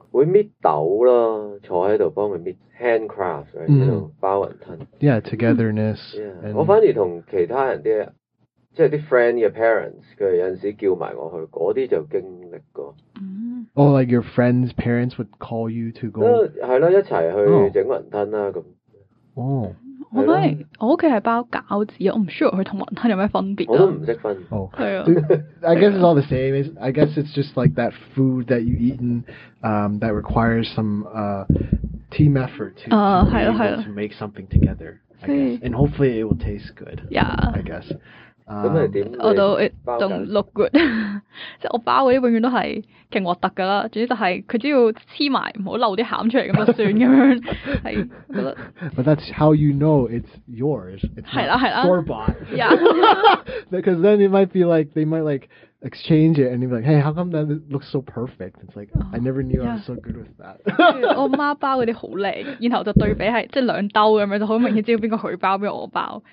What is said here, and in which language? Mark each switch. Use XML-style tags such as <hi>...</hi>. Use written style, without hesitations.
<yue>會搣豆啦，坐喺度幫佢搣 handcraft 喺度包雲吞。</yue> <en>Yeah, togetherness.</en> <yue>Yeah. 我反而同其他人啲即係啲 friend 嘅 parents， 佢有陣時叫埋我去，嗰啲就經歷過。</yue> <en>Oh, like your friend's parents would call you to go?</en> <yue>係啦，一齊去整雲吞啦咁。哦、我覺得我屋企係包餃子，我唔 sure 佢同雲吞有咩分別、啊。我都唔識分。</yue> <en>哦、oh. ，I guess it's all the same. I guess it's just like that food that you eaten, that requires some team effort to, to, be able to make something together. I guess. And hopefully it will taste good. Yeah. I guess.</en> <yue>咁係點？</yue> <en>Although it don't look good，</en> <yue>即係我包嗰啲永遠都係勁核突㗎啦。總之就係佢只要黐埋，唔好漏啲餡出嚟咁就算咁樣。係。</yue> <en>But that's how you know it's yours.</en> <yue>係啦係啦。</yue> <en>Store bought. Yeah. Because then it might be like they might like exchange it and be like, hey, how come that looks so perfect? It's like、oh, I never knew、yeah. I was so good with that.</en> <yue>我媽包嗰啲好靚，然後就對比係即係兩兜咁樣，就好明顯知道邊個佢包邊個我包。</yue>